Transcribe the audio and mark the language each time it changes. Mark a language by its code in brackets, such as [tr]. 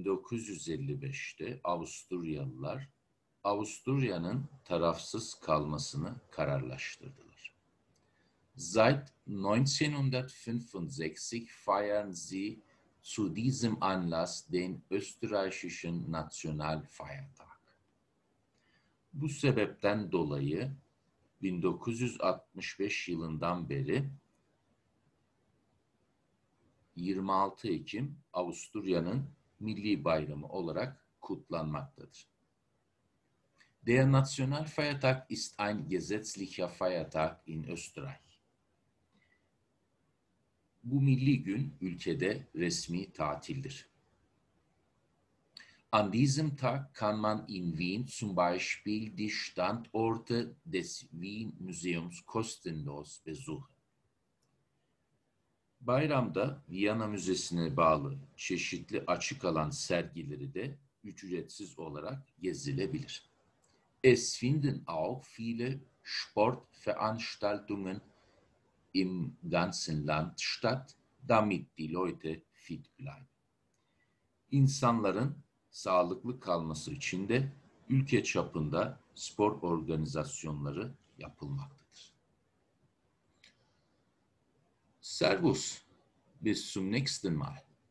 [tr] 26 Ekim 1955'te Avusturyalılar Avusturya'nın tarafsız kalmasını kararlaştırdılar. [de] Seit 1965 feiern sie zu diesem Anlass den österreichischen National Feiertag. [tr] Bu sebepten dolayı 1965 yılından beri 26 Ekim Avusturya'nın milli bayramı olarak kutlanmaktadır. [de] Der Nationalfeiertag ist ein gesetzlicher Feiertag in Österreich. [tr] Bu milli gün ülkede resmi tatildir. [de] An diesem Tag kann man in Wien zum Beispiel die Standorte des Wien Museums kostenlos besuchen. [tr] Bayramda Viyana Müzesi'ne bağlı çeşitli açık alan sergileri de ücretsiz olarak gezilebilir. [de] Es finden auch viele Sportveranstaltungen im ganzen Land statt, damit die Leute fit bleiben. [tr] İnsanların sağlıklı kalması için de ülke çapında spor organizasyonları yapılmaktadır. [de] Servus. Bis zum nächsten Mal.